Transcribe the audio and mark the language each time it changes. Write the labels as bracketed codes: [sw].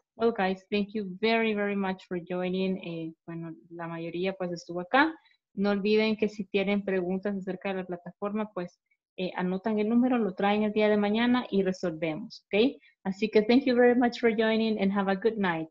[en] Well, guys, thank you very, very much for joining. [es] Bueno, la mayoría pues estuvo acá. No olviden que si tienen preguntas acerca de la plataforma, pues anotan el número, lo traen el día de mañana y resolvemos, ¿ok? Así que [en] thank you very much for joining and have a good night.